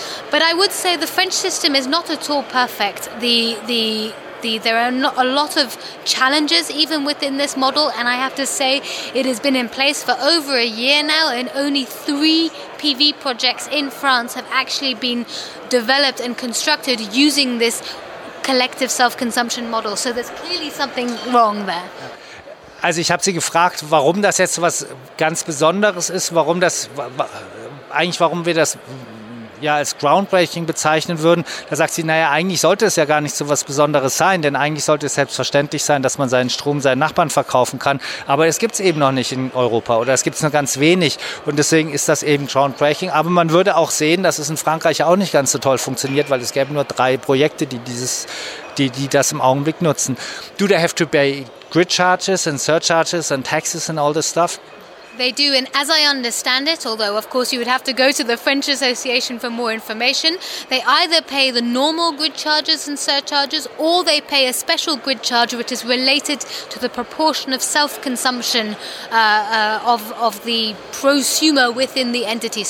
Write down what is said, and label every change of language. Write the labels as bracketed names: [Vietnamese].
[English] But I would say the French system is not at all perfect. There are not a lot of challenges even within this model, and I have to say it has been in place for over a year now, and only 3 PV projects in France have actually been developed and constructed using this collective self-consumption model. So there's clearly something wrong there. [German] Also, ich habe Sie gefragt, warum das jetzt was ganz Besonderes ist, warum das eigentlich, warum wir das ja als groundbreaking bezeichnen würden. Da sagt sie, naja, eigentlich sollte es ja gar nicht so was Besonderes sein, denn eigentlich sollte es selbstverständlich sein, dass man seinen Strom seinen Nachbarn verkaufen kann. Aber es gibt es eben noch nicht in Europa oder es gibt es nur ganz wenig. Und deswegen ist das eben groundbreaking. Aber man würde auch sehen, dass es in Frankreich auch nicht ganz so toll funktioniert, weil es gäbe nur 3 Projekte, die das im Augenblick nutzen. [English] Do they have to pay grid charges and surcharges and taxes and all this stuff? They do, and as I understand it, although of course you would have to go to the French Association for more information, they either pay the normal grid charges and surcharges, or they pay a special grid charge which is related to the proportion of self-consumption of the prosumer within the entity.